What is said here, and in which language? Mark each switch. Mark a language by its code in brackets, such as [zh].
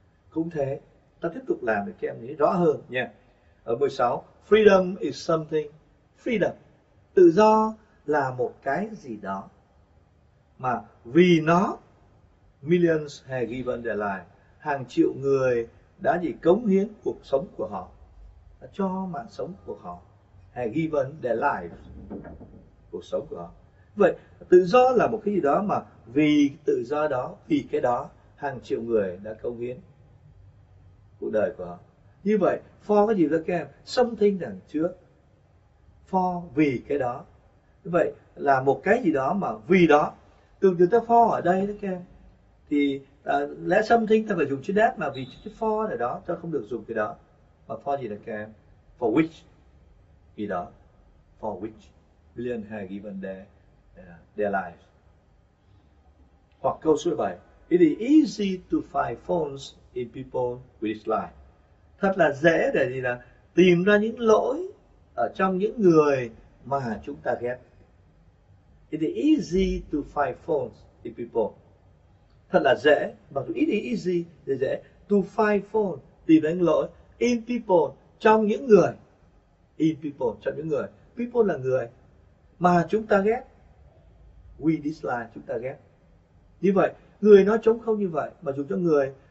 [vi] Cũng thế, ta tiếp tục làm để các em nghĩ rõ hơn nha. Ở 16, [en] freedom is something. [vi] Freedom, tự do là một cái gì đó. Mà vì nó, [en] millions have given their life. [vi] Hàng triệu người đã gì cống hiến cuộc sống của họ, đã cho mạng sống của họ. [en] Have given their life, [vi] cuộc sống của họ. Vậy tự do là một cái gì đó mà vì tự do đó, vì cái đó hàng triệu người đã cống hiến cuộc đời của họ. Như vậy for cái gì đó các em, something đằng trước, for vì cái đó. Như vậy là một cái gì đó mà vì đó, từ từ ta for ở đây đó các em, thì lẽ something ta phải dùng chữ that, mà vì chữ for ở đó ta không được dùng cái đó, mà for gì đó các em, [en] for which, vì đó, for which billion have given their life. [vi] Hoặc câu số 7, [en] it is easy to find faults in people with life. [vi] Thật là dễ để gì là tìm ra những lỗi ở trong những người mà chúng ta ghét. [en] It is easy to find faults in people. [vi] Thật là dễ, mà [en] it is easy [vi] dễ, [en] to find fault, [vi] tìm ra những lỗi [en] in people, [vi] trong những người, in people, trong những người, people là người mà chúng ta ghét. [en] We dislike, [vi] chúng ta ghét. Như vậy, người nói trống không như vậy, mà dùng cho người.